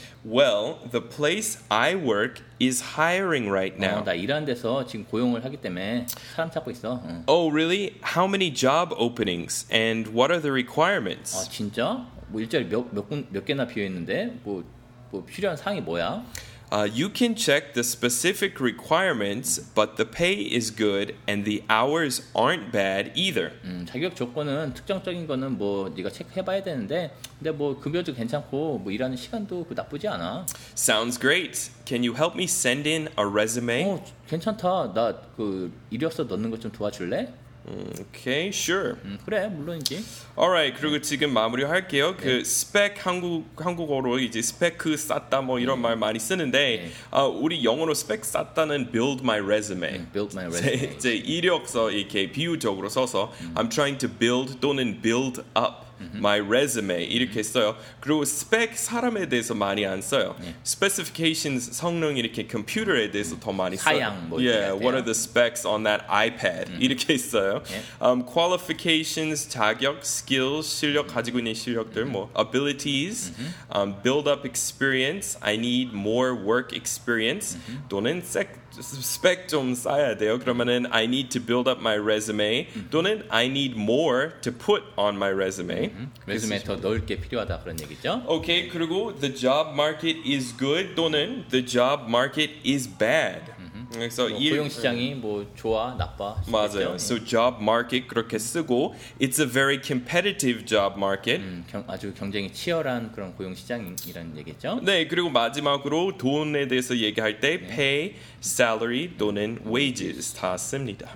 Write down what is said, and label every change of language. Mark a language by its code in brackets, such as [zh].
[en] Well, the place I work is hiring right now. [ko] 나 일하는 데서 지금 고용을 하기 때문에 사람 찾고 있어. 응. [en] Oh, really? How many job openings and what are the requirements? [ko] 아, 진짜? 뭐 일자리 몇 개나 비어 있는데? 뭐 필요한 사항이 뭐야? [en] You can check the specific requirements, but the pay is good and the hours aren't bad either. [ko] 자격 조건은 특정적인 거는 뭐 네가 체크해봐야 되는데, 근데 뭐 급여도 괜찮고 뭐 일하는 시간도 그 나쁘지 않아. [en] Sounds great. Can you help me send in a resume? [ko] 어, 괜찮다. 나 그 이력서 넣는 거 좀 도와줄래? [en] Okay, sure. [ko] 그래, 물론이지. Alright, 그리고 지금 마무리할게요. 네. 그 스펙 한국어로 이제 스펙 쌓다 뭐 이런 말 많이 쓰는데 우리 영어로 스펙 쌓다는 [en] build my resume. Build my resume. [ko] 제 이력서 이렇게 비유적으로 써서 [en] I'm trying to build [ko] 또는 [en] build up my resume [ko] 이렇게 써요. 그리고 스펙 사람에 대해서 많이 안 써요. Specifications 성능 이렇게 컴퓨터에 대해서 더 많이 써요. 사양 뭐 이렇게 [en] Yeah, what are the specs on that iPad? [ko] 이렇게 써요. Qualifications 자격, skills 실력 가지고 있는 실력들 뭐 abilities, build up experience. [en] I need more work experience. [ko] 또는 스펙 좀 쌓아야 돼요. 그러면은 [en] I need to build up my resume. [ko] 또는 [en] I need more to put on my resume. [ko] 레즈메 더 넓게 필요하다 그런 얘기죠. 오케이. 그리고 [en] the job market is good [ko] 또는 [en] the job market is bad. [ko] 그래서 뭐 고용 시장이 뭐 좋아 나빠. 맞아요. 그래서 [en] so job market [ko] 그렇게 쓰고 [en] it's a very competitive job market. [ko] 아주 경쟁이 치열한 그런 고용 시장이라는 얘기죠. 네. 그리고 마지막으로 돈에 대해서 얘기할 때 네. pay, salary 또는 wages 다 씁니다.